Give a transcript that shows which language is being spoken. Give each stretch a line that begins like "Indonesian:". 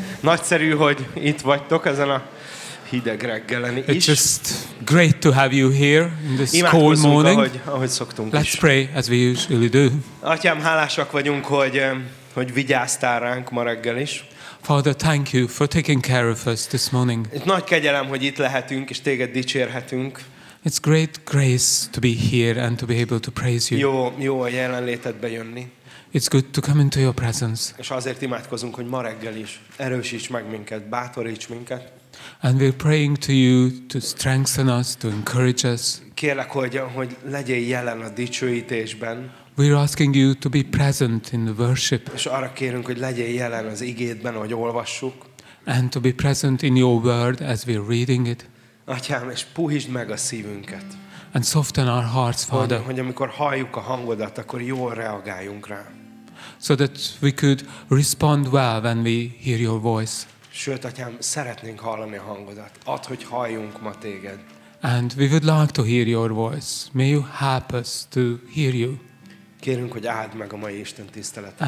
Hungarian: Nagyszerű, hogy itt vagytok ezen a hideg reggelen is.
English: It's just great to have you here in this cold morning.
Hungarian: Ahogy szoktunk is.
English: Let's pray as we usually do.
Hungarian: Atyám, hálásak vagyunk, hogy vigyáztál ránk ma reggel is.
English: Father, thank you for taking care of us this morning.
Hungarian: Itt nagy kegyelem, hogy itt lehetünk és téged dicsérhetünk.
English: It's great grace to be here and to be able to praise you.
Hungarian: Jó a jelenlétedbe jönni.
English: It's good to come into your presence.
Hungarian: És azért imádkozunk, hogy ma reggel is erősíts meg minket, bátoríts minket.
English: And we're praying to you to strengthen us, to encourage us.
Hungarian: Kérlek, hogy legyél jelen a dicsőítésben.
English: We're asking you to be present in the worship.
Hungarian: És arra kérünk, hogy legyél jelen az igédben, ahogy olvassuk.
English: And to be present in your word as we're reading it.
Hungarian: Atyám, és puhítsd meg a szívünket.
English: And soften our hearts, Father.
Hungarian: Hogy amikor halljuk a hangodat, akkor jól reagáljunk rá.
English: So that we could respond well when we hear your voice.
Hungarian: Sőt, atyám, szeretnénk hallani a hangodat. Add, hogy halljunk ma téged.
English: And we would like to hear your voice. May you help us to hear you.
Hungarian: Kérünk, hogy áld meg a mai Isten tiszteletet.